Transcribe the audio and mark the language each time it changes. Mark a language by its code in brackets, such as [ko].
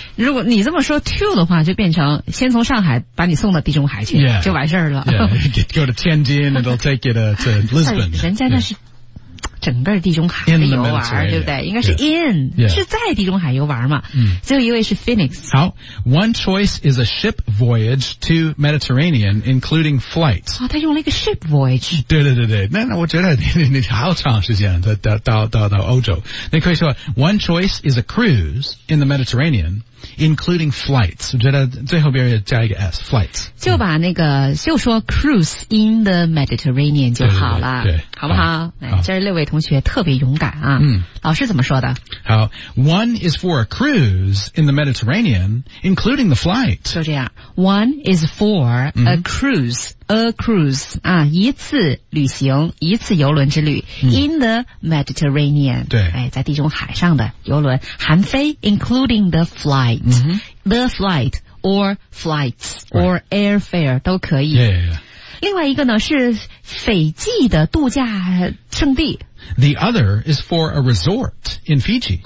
[zh] 对如果你这么说 to 的话就变成先从上海把你送到地中海去 [en] yeah, [zh] 就完事了。 [en] Yeah, go to 天津 and they'll take you to Lisbon. [zh] 人家那是、yeah. 整个地中海的游玩对不对应该是 in、 [en] yes. [zh] 是在地中海游玩嘛、嗯、最后一位是 Phoenix [en] 好 One choice is a ship voyage to Mediterranean including flights、 [zh] 哦、他用了一个 [en] ship voyage [zh] 对对对对那我觉得 你好长时间到欧洲你可以说 [en] One choice is a cruise in the Mediterranean including flights [zh] 我觉得最后边要加一个 [en] S flights [zh] 就把那个、嗯、就说 [en] cruise in the Mediterranean [zh] 就好了对, 对, 对, 对好不 好, 好这是六位同学特别勇敢啊、嗯、老师怎么说的 [en] 好 One is for a cruise in the Mediterranean including the flight [zh] 就这样 [en] One is for a cruise、 [zh] 嗯 [en] A cruise, [zh] 啊一次旅行一次游轮之旅、嗯、 [en] in the Mediterranean, [zh] 对、哎、在地中海上的游轮含飞 [en] including the flight,、嗯、 the flight, or flights, or airfare, [zh] 都可以。 [en] Yeah, yeah, yeah. [zh] 另外一个呢是斐济的度假胜地。 [en] The other is for a resort in Fiji.、